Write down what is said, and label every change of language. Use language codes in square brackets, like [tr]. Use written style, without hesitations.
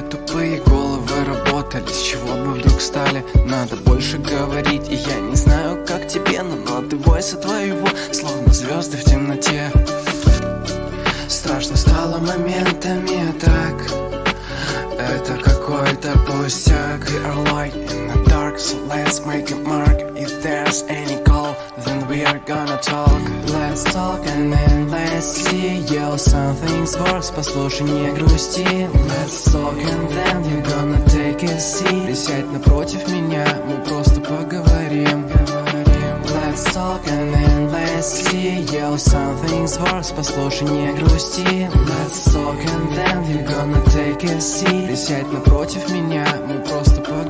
[ru] Тупые головы работали, с чего бы вдруг стали. Надо больше говорить, и я не знаю, как тебе, но ноты войса твоего, словно звезды в темноте. Страшно стало моментами, так это какой-то пустяк. [en] We are light in the dark, so let's make a mark. If there's any call, then we are gonna talk. Let's talk and then let's see. Yo, something's worse, [ru] послушай, не грусти. [en] Let's talk and then you're gonna take a seat. [ru] Присядь напротив меня, мы просто поговорим. [en] Let's talk and then let's see. Yo, something's worse, [ru] послушай, не грусти. [en] Let's talk and then you're gonna take a seat. [ru] Присядь напротив меня, мы просто поговорим.